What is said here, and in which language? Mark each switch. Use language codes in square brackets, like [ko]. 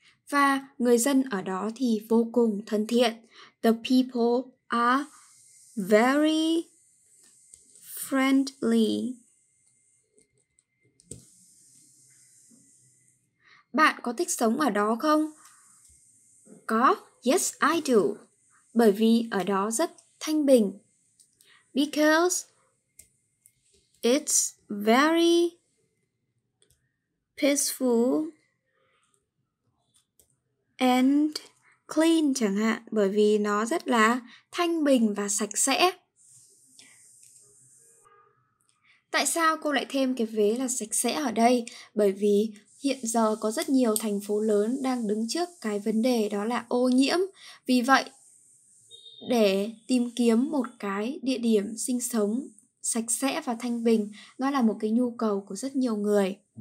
[vi] Và người dân ở đó thì vô cùng thân thiện. [en] The people are very friendly. [vi] Bạn có thích sống ở đó không? Có, [en] yes I do. [vi] Bởi vì ở đó rất thanh bình. [en] Because it's very peaceful and clean [vi] chẳng hạn. Bởi vì nó rất là thanh bình và sạch sẽ. Tại sao cô lại thêm cái vế là sạch sẽ ở đây? Bởi vì hiện giờ có rất nhiều thành phố lớn đang đứng trước cái vấn đề đó là ô nhiễm. Vì vậy, để tìm kiếm một cái địa điểm sinh sống sạch sẽ và thanh bình, nó là một cái nhu cầu của rất nhiều người.